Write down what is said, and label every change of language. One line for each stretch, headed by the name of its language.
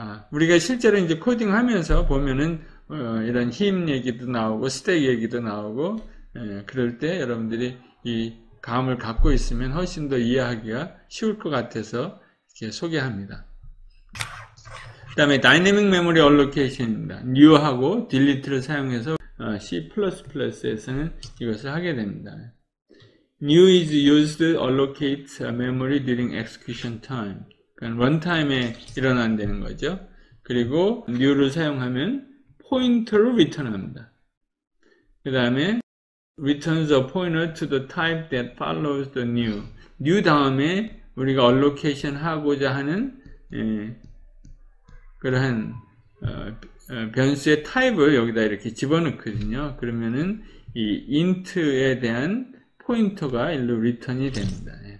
Korean: 우리가 실제로 이제 코딩하면서 보면은 이런 힙 얘기도 나오고 스택 얘기도 나오고 그럴 때 여러분들이 이 감을 갖고 있으면 훨씬 더 이해하기가 쉬울 것 같아서 이렇게 소개합니다. 그다음에 다이내믹 메모리 얼로케이션입니다. 뉴하고 딜리트를 사용해서 C++에서는 이것을 하게 됩니다.
English: New is used to allocate memory during execution time.
Korean: 그러니까 runtime에 일어난다는 거죠. 그리고 new를 사용하면 pointer를 return합니다. 그 다음에
English: returns a pointer to the type that follows the new.
Korean: new 다음에 우리가 allocation 하고자 하는 그러한 변수의 type을 여기다 이렇게 집어넣거든요. 그러면은 이 int에 대한 포인터가 일로 return이 됩니다.